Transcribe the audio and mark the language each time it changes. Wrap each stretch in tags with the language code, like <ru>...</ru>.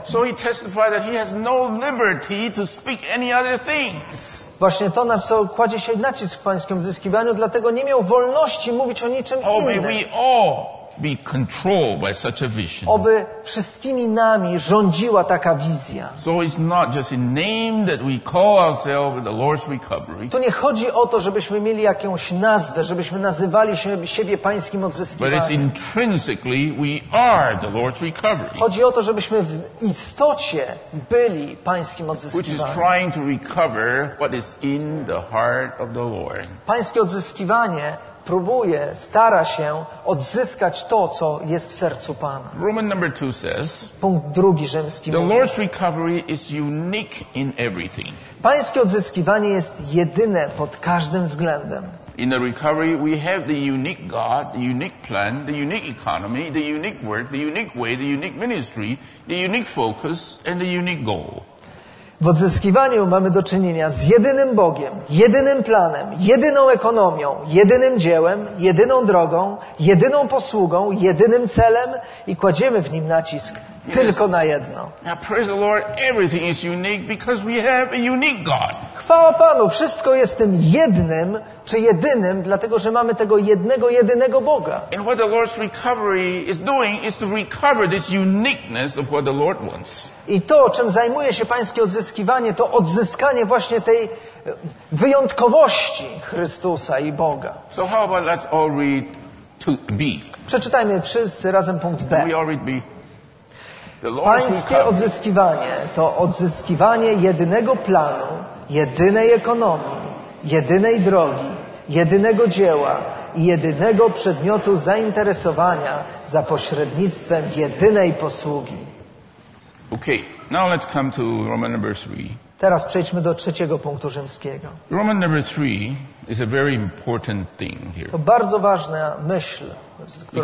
<en>So he testified that he has no liberty to speak any other things.</en> <pl>Właśnie to, na co kładzie się nacisk w Pańskim odzyskiwaniu, dlatego nie miał wolności mówić o niczym innym.</pl> <en>May we all be controlled by such a vision.</en> <pl>Oby wszystkimi nami rządziła taka wizja.</pl> <en>So it's not just in name that we call ourselves the Lord's recovery.</en> <pl>Tu nie chodzi o to, żebyśmy mieli jakąś nazwę, żebyśmy nazywali się siebie Pańskim odzyskiwaniem.</pl> <en>But it's intrinsically we are the Lord's recovery.</en> <pl>Chodzi o to, żebyśmy w istocie byli Pańskim odzyskiwaniem.</pl> <en>Which is trying to recover what is in the heart of the Lord.</en> <pl>Pańskie odzyskiwanie próbuje, stara się odzyskać to, co jest w sercu Pana.</pl> <en>Roman number two says,</en> <pl>punkt drugi rzymski</pl> <en>the Lord's recovery is unique in everything.</en> <pl>Pańskie odzyskiwanie jest jedyne pod każdym względem.</pl> <en>In the recovery we have the unique God, the unique plan, the unique economy, the unique work, the unique way, the unique ministry, the unique focus and the unique goal.</en> <pl>W odzyskiwaniu mamy do czynienia z jedynym Bogiem, jedynym planem, jedyną ekonomią, jedynym dziełem, jedyną drogą, jedyną posługą, jedynym celem i kładziemy w nim nacisk tylko na jedno.</pl> <en>Now, praise the Lord, everything is unique because we have a unique God.</en> <pl>Chwała Panu, wszystko jest tym jednym czy jedynym, dlatego że mamy tego jednego, jedynego Boga.</pl> <en>And what the Lord's recovery is doing is to recover this uniqueness of what the Lord wants.</en> <pl>I to, czym zajmuje się Pańskie odzyskiwanie, to odzyskanie właśnie tej wyjątkowości Chrystusa i Boga.</pl> <en>So how about let's all read to B.</en> <pl>Przeczytajmy wszyscy razem punkt B.</pl> <en>We all read B.</en> <pl>Pańskie odzyskiwanie to odzyskiwanie jedynego planu, jedynej ekonomii, jedynej drogi, jedynego dzieła i jedynego przedmiotu zainteresowania za pośrednictwem jedynej posługi.</pl> <en>Okay, now let's come to Roman number three.</en> <pl>Teraz przejdźmy do trzeciego punktu rzymskiego.</pl> <en>Roman number three is a very important thing here.</en> <pl>To bardzo ważna myśl, która</pl>